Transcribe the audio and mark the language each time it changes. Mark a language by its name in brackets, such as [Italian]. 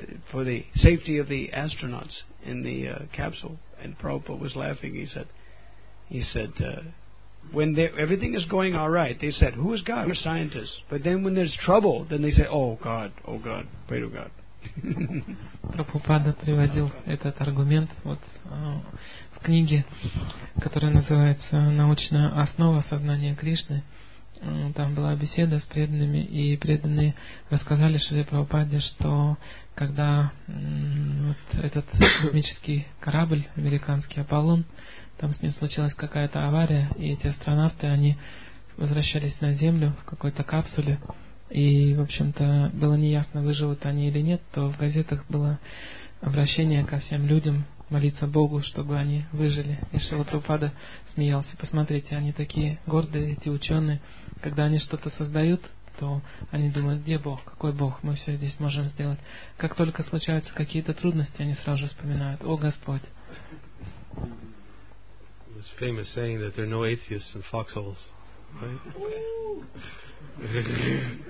[English] For the safety of the astronauts in the capsule, and Prabhupada was laughing. He said, when everything is going all right, they said, "Who is God? We're scientists." But then, when there's trouble, then they say, oh God, pray to God." [Russian] Прабхупада приводил этот аргумент вот в книге, которая называется "Научная основа сознания Кришны". Там была беседа с преданными, и преданные рассказали Шриле Прабхупаде, что когда вот этот космический корабль американский «Аполлон», там с ним случилась какая-то авария, и эти астронавты, они возвращались на Землю в какой-то капсуле, и, в общем-то, было неясно, выживут они или нет, то в газетах было обращение ко всем людям молиться Богу, чтобы они выжили. И Шрила Прабхупада смеялся. Посмотрите, они такие гордые, эти ученые. Когда они что-то создают, то они думают, где Бог, какой Бог, мы все здесь можем сделать. Как только случаются какие-то трудности, они сразу же вспоминают, о Господь. [English] Famous saying that there are no atheists in foxholes, right?